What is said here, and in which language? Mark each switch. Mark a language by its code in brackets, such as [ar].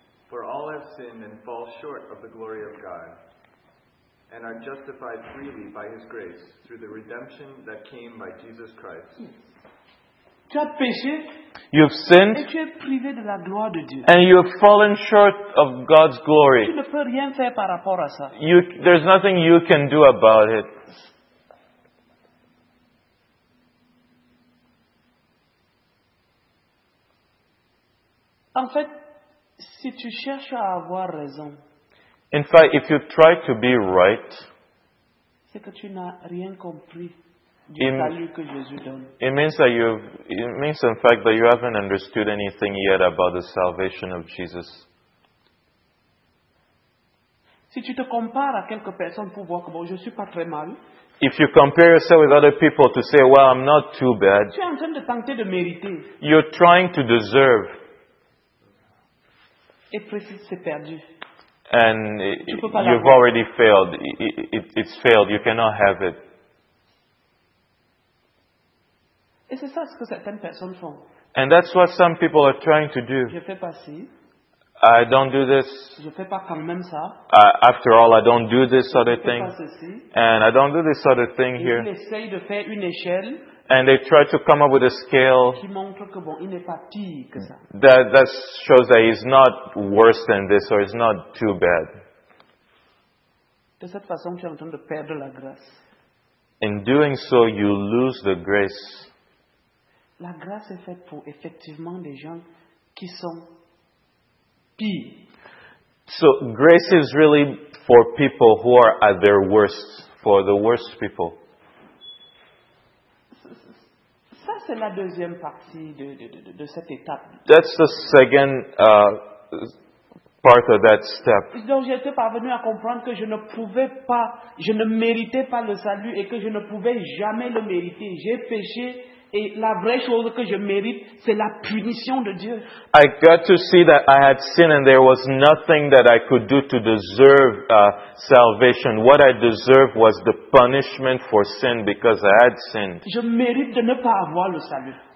[en] For all have sinned and fall short of the glory of God, and are justified freely by His grace through the redemption that came by Jesus Christ. [fr] Tu as péché. [en] You have sinned. [fr] Et tu es privé de la gloire de Dieu. [en] And you have fallen short of God's glory. [fr] Tu ne peux rien faire par rapport à ça. [en] There's nothing you can do about it. [fr] En fait, si tu cherches à avoir raison, [en] in fact, if you try to be right, [fr] c'est que tu n'as rien compris du salut que Jésus donne. [en] It means in fact that you haven't understood anything yet about the salvation of Jesus. [fr] Si tu te compares à quelques personnes pour voir que bon, je suis pas très mal. [en] If you compare yourself with other people to say, well, I'm not too bad. [fr] Tu es en train de tenter de mériter. [en] You're trying to deserve. [fr] Et précis, c'est perdu. [en] And you've already failed. It's failed. You cannot have it. [fr] Et c'est ça ce que certaines personnes font. [en] And that's what some people are trying to do. [fr] Je fais pas ci. [en] I don't do this. [fr] Je fais pas quand même ça. [en] After all, I don't do this other thing. [fr] Je fais pas ceci. [en] And I don't do this other thing here. [fr] Ils essayent de faire une échelle. [en] And they try to come up with a scale [fr] qui montre que bon, il n'est pas pire que ça. [en] That shows that he's not worse than this or he's not too bad. [fr] De cette façon, tu es en train de perdre la grâce. [en] In doing so, you lose the grace. [fr] La grâce est faite pour effectivement des gens qui sont pires. [en] So grace is really for people who are at their worst, for the worst people. [fr] C'est la deuxième partie de cette étape. [en] That's the second part of that step. [fr] Donc j'étais parvenu à comprendre que je ne pouvais pas, je ne méritais pas le salut et que je ne pouvais jamais le mériter. J'ai péché et la vraie chose que je mérite, c'est la punition de Dieu. [en] I got to see that I had sinned and there was nothing that I could do to deserve salvation. What I deserved was the punishment for sin because I had sinned. [fr] Je mérite de ne pas avoir le salut.